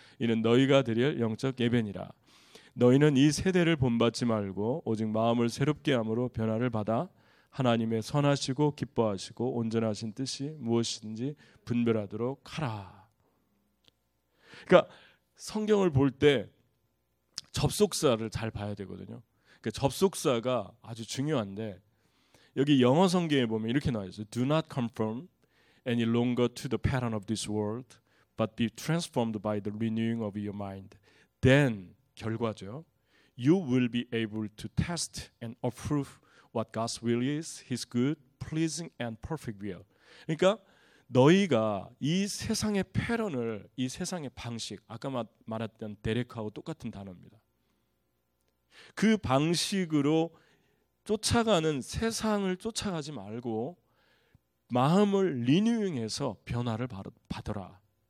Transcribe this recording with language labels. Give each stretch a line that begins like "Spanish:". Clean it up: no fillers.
Korean: 이는 너희가 드릴 영적 예배니라. 너희는 이 세대를 본받지 말고 오직 마음을 새롭게 함으로 변화를 받아 하나님의 선하시고 기뻐하시고 온전하신 뜻이 무엇인지 분별하도록 하라. 그러니까 성경을 볼 때 접속사를 잘 봐야 되거든요. 그러니까 접속사가 아주 중요한데 여기 영어 성경에 보면 이렇게 나와 있어요.
English: Do not conform any longer to the pattern of this world, but be transformed by the renewing of your mind. Then,
Korean: 결과죠.
English: You will be able to test and approve what God's will is, His good, pleasing, and perfect will.
Korean: 그러니까 너희가 이 세상의 패턴을, 이 세상의 방식, 아까 말했던 데렉하고 똑같은 단어입니다. 그 방식으로 쫓아가는 세상을 쫓아가지 말고 마음을 리뉴잉해서 변화를 받아라.